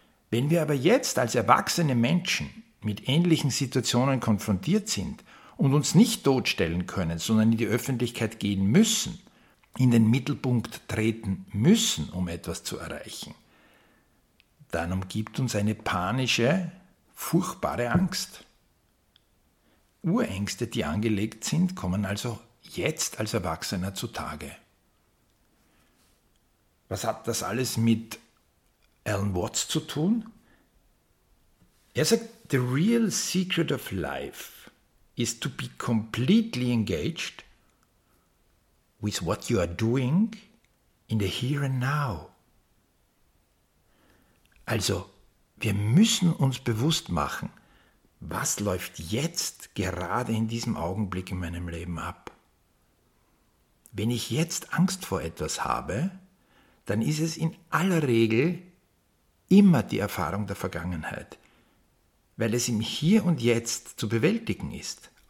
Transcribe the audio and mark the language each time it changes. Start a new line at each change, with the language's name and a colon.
German: Wenn wir aber jetzt als erwachsene Menschen mit ähnlichen Situationen konfrontiert sind und uns nicht totstellen können, sondern in die Öffentlichkeit gehen müssen, in den Mittelpunkt treten müssen, um etwas zu erreichen, dann umgibt uns eine panische, furchtbare Angst. Urängste, die angelegt sind, kommen also jetzt als Erwachsener zutage. Was hat das alles mit Alan Watts zu tun? Er sagt,
English: the real secret of life is to be completely engaged with what you are doing in the here and now.
German: Also, wir müssen uns bewusst machen, was läuft jetzt gerade in diesem Augenblick in meinem Leben ab? Wenn ich jetzt Angst vor etwas habe, dann ist es in aller Regel immer die Erfahrung der Vergangenheit, weil es im Hier und Jetzt zu bewältigen ist.